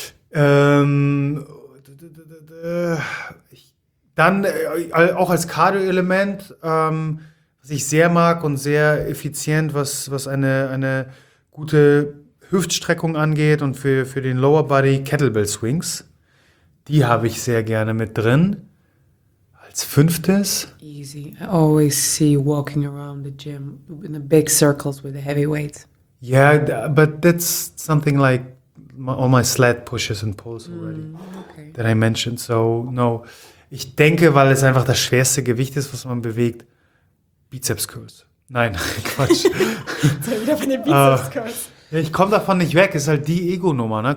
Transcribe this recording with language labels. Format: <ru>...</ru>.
<de>Dann auch als Cardio-Element, was ich sehr mag und sehr effizient, was eine gute Hüftstreckung angeht und für den Lower Body Kettlebell Swings. Die habe ich sehr gerne mit drin. Als fünftes.</de> <en>Easy. I always see walking around the gym in the big circles with the heavy weights. Yeah, but that's something like all my sled pushes and pulls already that I mentioned. So, no.</en> <de>Ich denke, weil es einfach das schwerste Gewicht ist, was man bewegt, Bizeps Curls. Nein, Quatsch. So, wieder von den Bizeps Curls. Ich komme davon nicht weg. Ist halt die Ego-Nummer, ne?</de>